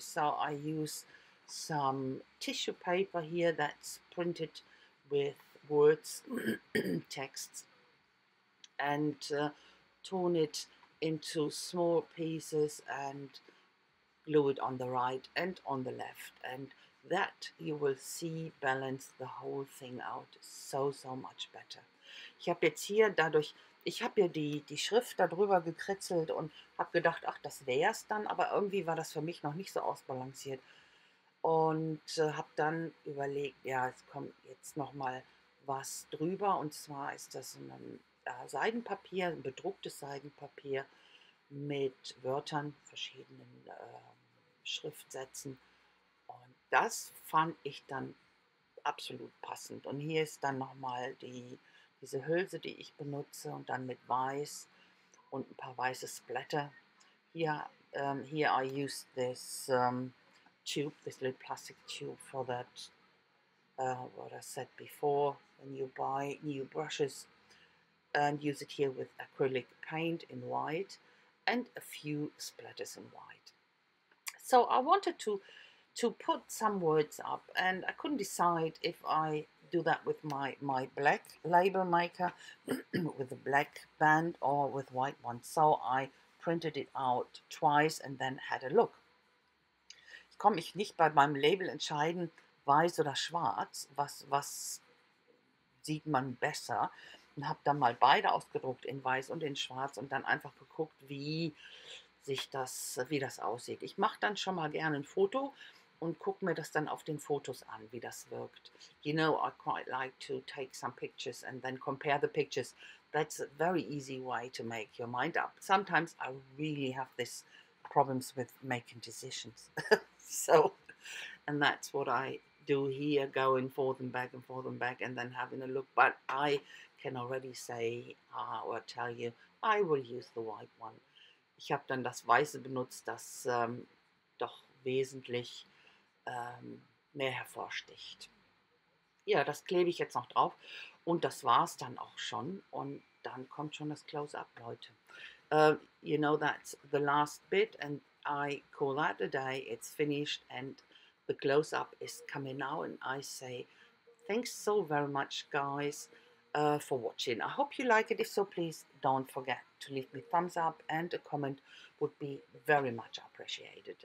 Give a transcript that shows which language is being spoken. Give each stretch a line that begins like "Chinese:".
English: So I use some tissue paper here that's printed with words, texts, and torn it into small pieces and glue it on the right and on the left. And that you will see balance the whole thing out so, so much better.
German: Ich habe jetzt hier dadurch, ich habe ja die Schrift darüber gekritzelt und habe gedacht, ach, das wäre es dann. Aber irgendwie war das für mich noch nicht so ausbalanciert. Und habe dann überlegt, ja, es kommt jetzt nochmal was drüber. Und zwar ist das ein Seidenpapier, ein bedrucktes Seidenpapier mit Wörtern, verschiedenen Schriftsätzen. Und das fand ich dann absolut passend. Und hier ist dann nochmal diese Hülse, die ich benutze und dann mit Weiß und ein paar weiße Splatter.
English: Here I use this tube, this little plastic tube for that, what I said before, when you buy new brushes and use it here with acrylic paint in white and a few splatters in white. So I wanted to put some words up and I couldn't decide if I do that with my black label maker with a black band or with white one. So I printed it out twice and then had a look.
German: Ich konnte mich nicht bei meinem Label entscheiden, weiß oder schwarz, was sieht man besser, und habe dann mal beide ausgedruckt in weiß und in schwarz und dann einfach geguckt, wie das aussieht. Ich mache dann schon mal gerne ein Foto und gucke mir das dann auf den Fotos an, wie das wirkt.
English: You know, I quite like to take some pictures and then compare the pictures. That's a very easy way to make your mind up. Sometimes I really have this problems with making decisions. So, and that's what I do here, going forth and back and forth and back and then having a look. But I can already say or tell you, I will use the white one.
German: Ich habe dann das Weiße benutzt, das doch wesentlich mehr hervorsticht. Ja, das klebe ich jetzt noch drauf und das war's dann auch schon. Und dann kommt schon das Close-up, Leute.
English: You know, that's the last bit and I call that a day. It's finished and the close-up is coming now and I say thanks so very much, guys, for watching. I hope you like it. If so, please don't forget to leave me thumbs up and a comment would be very much appreciated.